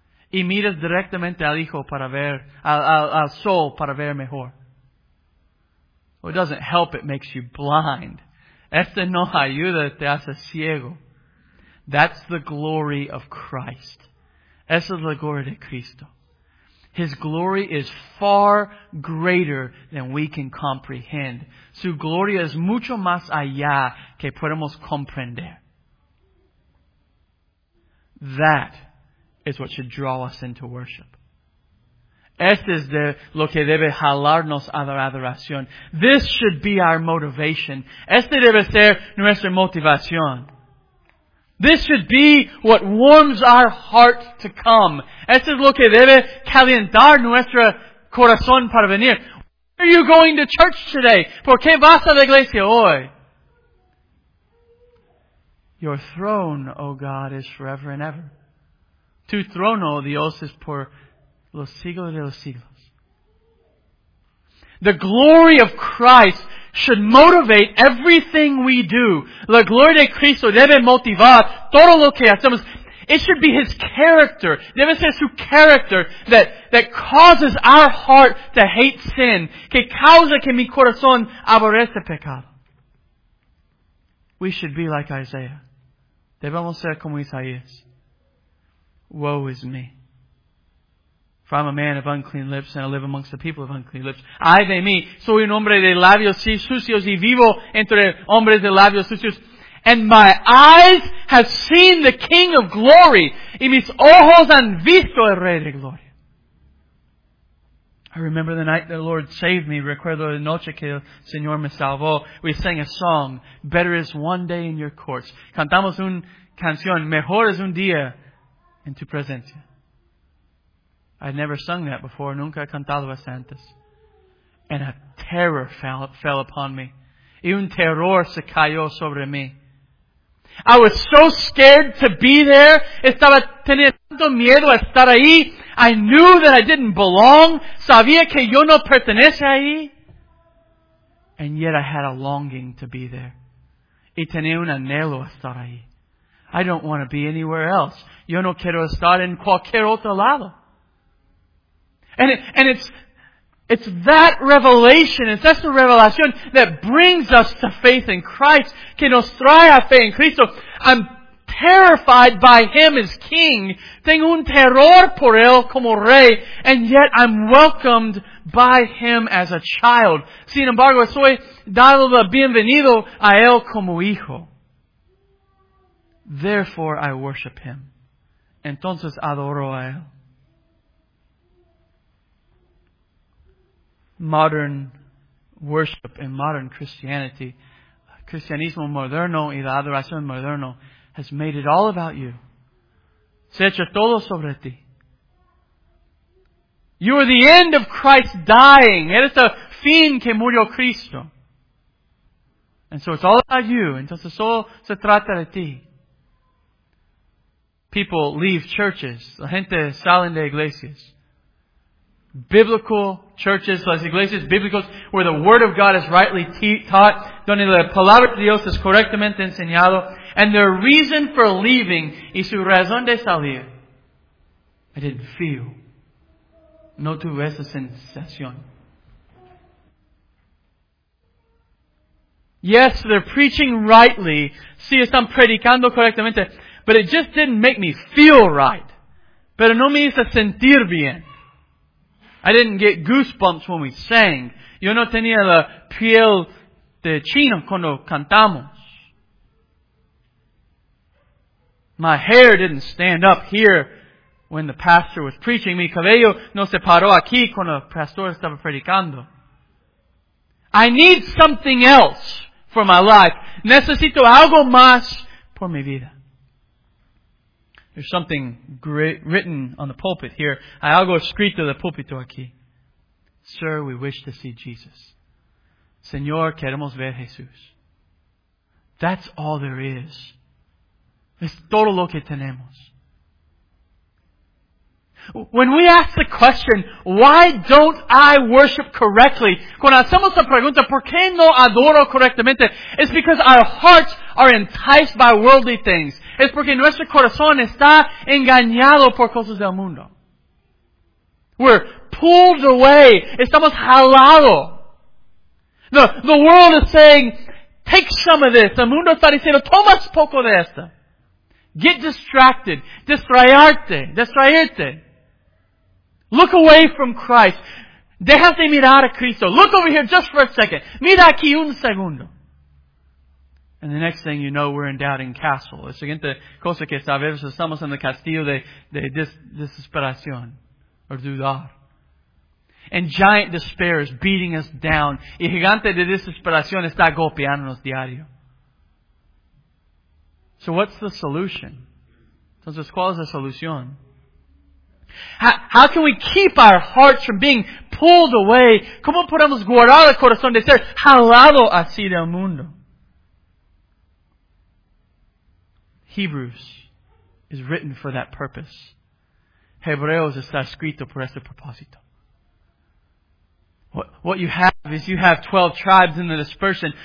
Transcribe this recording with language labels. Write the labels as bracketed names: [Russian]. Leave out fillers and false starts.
[Spanish] Y miras directamente al hijo para ver, al sol para ver mejor. [English] Well, it doesn't help, it makes you blind. [Spanish] Este no ayuda, te hace ciego. [English] That's the glory of Christ. [Spanish] Esa es la gloria de Cristo. [English] His glory is far greater than we can comprehend. [Spanish] Su gloria es mucho más allá que podemos comprender. [English] That is what should draw us into worship. [Spanish] Este es de lo que debe jalarnos a la adoración. [English] This should be our motivation. [Spanish] Este debe ser nuestra motivación. [English] This should be what warms our heart to come. [Spanish] Este es lo que debe calentar nuestro corazón para venir. [English] Why are you going to church today? [Spanish] ¿Por qué vas a la iglesia hoy? [English] Your throne, O God, is forever and ever. [Spanish] Tu trono, Dios, es por los siglos de los siglos. [English] The glory of Christ should motivate everything we do. [Spanish] La gloria de Cristo debe motivar todo lo que hacemos. [English] It should be His character. [Spanish] Debe ser su [English] character that causes our heart to hate sin. [Spanish] Que causa que mi corazón aborrece pecado. [English] We should be like Isaiah. [Spanish] Debemos ser como Isaías. [English] Woe is me. For I'm a man of unclean lips, and I live amongst the people of unclean lips. [Spanish] Ay de mí, soy un hombre de labios sucios, y vivo entre hombres de labios sucios. [English] And my eyes have seen the King of glory, [Spanish] y mis ojos han visto el Rey de gloria. [English] I remember the night the Lord saved me. [Spanish] Recuerdo la noche que el Señor me salvó. [English] We sang a song, Better is one day in your courts. [Spanish] Cantamos una canción, Mejor es un día en tu presencia. [English] I'd never sung that before. [Spanish] Nunca he cantado eso antes. [English] And a terror fell upon me. [Spanish] Y un terror se cayó sobre mí. [English] I was so scared to be there. [Spanish] Estaba teniendo tanto miedo a estar ahí. [English] I knew that I didn't belong. [Spanish] Sabía que yo no pertenece ahí. [English] And yet I had a longing to be there. [Spanish] Y tenía un anhelo a estar ahí. [English] I don't want to be anywhere else. [Spanish] Yo no quiero estar en cualquier otro lado. [English] And it's that revelation, it's [Spanish] esa revelación [English] that brings us to faith in Christ, [Spanish] que nos trae a fe en Cristo. [English] I'm terrified by Him as King. [Spanish] Tengo un terror por Él como Rey, [English] and yet I'm welcomed by Him as a child. [Spanish] Sin embargo, soy dado la bienvenido a Él como Hijo. [English] Therefore, I worship Him. [Spanish] Entonces, adoro a Él. [English] Modern worship and modern Christianity, [Spanish] Cristianismo moderno y la adoración moderno, [English] has made it all about you. [Spanish] Se ha hecho todo sobre ti. [English] You are the end of Christ dying. [Spanish] Eres el fin que murió Cristo. [English] And so it's all about you. [Spanish] Entonces solo se trata de ti. [English] People leave churches. [Spanish] La gente sale de iglesias. [English] Biblical churches, [Spanish] las iglesias bíblicas, [English] where the Word of God is rightly taught, [Spanish] donde la Palabra de Dios es correctamente enseñado, [English] and their reason for leaving, [Spanish] y su razón de salir, [English] I didn't feel. [Spanish] No tuve esa sensación. [English] Yes, they're preaching rightly. [Spanish] Sí, están predicando correctamente, [English] but it just didn't make me feel right. [Spanish] Pero no me hizo sentir bien. [English] I didn't get goosebumps when we sang. [Spanish] Yo no tenía la piel de chino cuando cantamos. [English] My hair didn't stand up here when the pastor was preaching. [Spanish] Mi cabello no se paró aquí cuando el pastor estaba predicando. [English] I need something else for my life. [Spanish] Necesito algo más por mi vida. [English] There's something written on the pulpit here. [Spanish] Hay algo escrito en el púlpito aquí. [English] Sir, we wish to see Jesus. [Spanish] Señor, queremos ver Jesús. [English] That's all there is. [Spanish] Es todo lo que tenemos. [English] When we ask the question, why don't I worship correctly? [Spanish] Cuando hacemos la pregunta, ¿por qué no adoro correctamente? [English] It's because our hearts are enticed by worldly things. [Spanish] Es porque nuestro corazón está engañado por cosas del mundo. [English] We're pulled away. [Spanish] Estamos jalado. [English] The world is saying, take some of this. [Spanish] El mundo está diciendo, toma poco de esto. [English] Get distracted. [Spanish] Distraerte. [English] Look away from Christ. [Spanish] Deja de mirar a Cristo. [English] Look over here just for a second. [Spanish] Mira aquí un segundo. [English] And the next thing you know, we're in Doubting Castle. [Spanish] La siguiente cosa que sabemos, estamos en el castillo de desesperación. Or dudar. [English] And giant despair is beating us down. [Spanish] Y gigante de desesperación está golpeándonos diario. [English] So what's the solution? [Spanish] Entonces, ¿cuál es la solución? [English] How can we keep our hearts from being pulled away? [Spanish] ¿Cómo podemos guardar el corazón de ser jalado así del mundo? [English] Hebrews is written for that purpose. [Spanish] Hebreos está escrito por ese propósito. [English] What you have is you have 12 tribes in the dispersion.